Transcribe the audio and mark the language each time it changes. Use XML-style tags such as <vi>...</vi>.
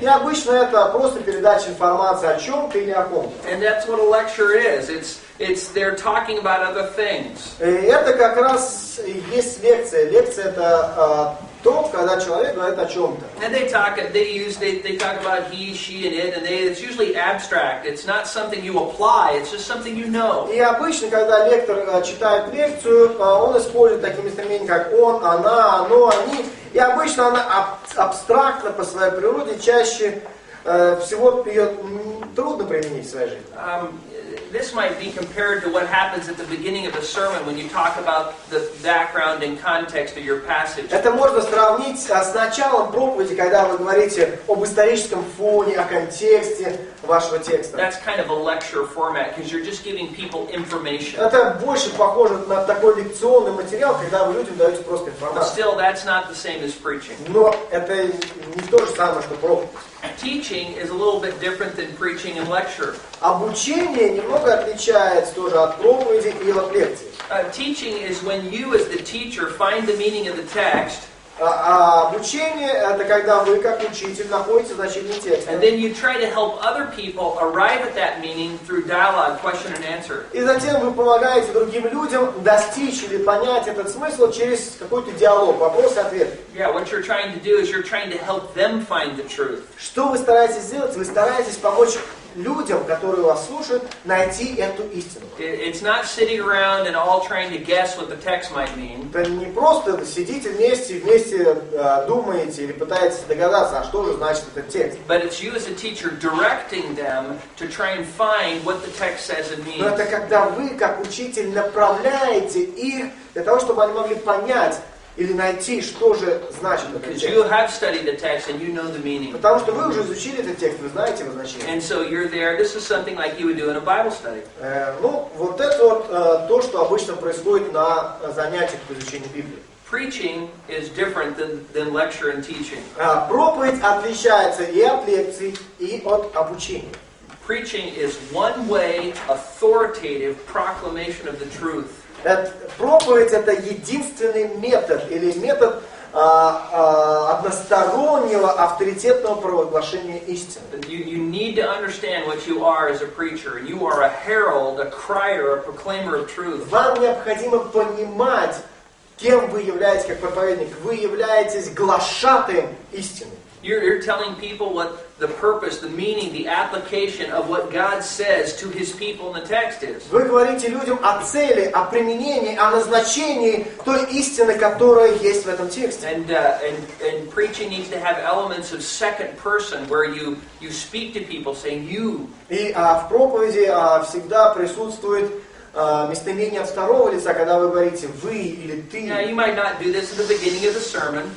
<ru>И обычно это просто передача информации о чем-то или о ком-то.</ru> <en>And that's what a lecture is. It's they're talking about other things.</en> <ru>Это как раз есть лекция. Лекция это то, когда человек говорит о чем-то.</ru> <en>And they talk about he, she, and it, and they. It's usually abstract. It's not something you apply. It's just something you know.</en> <ru>И обычно, когда лектор читает лекцию, он использует такие местоимения, как он, она, оно, они. И обычно она абстрактна по своей природе, чаще всего ее трудно применить в своей жизни.</ru> <en>This might be compared to what happens at the beginning of a sermon when you talk about the background and context of your passage.</en> <ru>Это можно сравнить с началом проповеди, когда вы говорите об историческом фоне, о контексте вашего текста.</ru> <en>That's kind of a lecture format because you're just giving people information.</en> <ru>Это больше похоже на такой лекционный материал, когда вы людям даете просто информацию.</ru> <en>But still, that's not the same as preaching.</en> <ru>Но это не то же самое, что проповедь.</ru> <en>Teaching is a little bit different than preaching and lecture.</en> <ru>Обучение немного отличается тоже от проповеди и от лекции.</ru> <en>Teaching is when you, as the teacher, find the meaning of the text.</en> <ru>Обучение это когда вы как учитель находите значение текста.</ru> <en>And then you try to help other people arrive at that meaning through dialogue, question and answer.</en> <ru>И затем вы помогаете другим людям достичь или понять этот смысл через какой-то диалог, вопрос-ответ.</ru> <en>Yeah, what you're trying to do is you're trying to help them find the truth.</en> <ru>Что вы стараетесь сделать? Вы стараетесь помочь людям, которые вас слушают, найти эту истину.</ru> <en>It's not sitting around and all trying to guess what the text might mean.</en> <ru>Это не просто сидите вместе думаете или пытаетесь догадаться, а что же значит этот текст.</ru> <en>But it's you as a teacher directing them to try and find what the text says and means.</en> <ru>Но это когда вы, как учитель, направляете их для того, чтобы они могли понять, или найти, что же значит этот текст.</ru> <en>You have studied the text and you know the meaning.</en> <ru>Потому что вы уже изучили этот текст, вы знаете его значение.</ru> <en>And so you're there. This is something like you would do in a Bible study.</en> <ru>Ну, вот это вот то, что обычно происходит на занятиях по изучению Библии.</ru> <en>Preaching is different than lecture and teaching.</en> <ru>Проповедь отличается и от лекций, и от обучения.</ru> <en>Preaching is one way authoritative proclamation of the truth.</en> <ru>Проповедь это единственный метод или метод одностороннего авторитетного провозглашения истины.</ru> <en>You need to understand what you are as a preacher. You are a herald, a crier, a proclaimer of truth.</en> <ru>Вам необходимо понимать, кем вы являетесь как проповедник. Вы являетесь глашатаем истины.</ru> <en>You're telling people what the purpose, the meaning, the application of what God says to His people in the text is.</en> <ru>Вы говорите людям о цели, о применении, о назначении той истины, которая есть в этом тексте.</ru> <en>And preaching needs to have elements of second person, where you speak to people saying you.</en> <ru>И в проповеди всегда присутствует местоимение от второго лица, когда вы говорите «вы» или «ты».</ru> <en>Now, you might not do this at the beginning of the sermon.</en>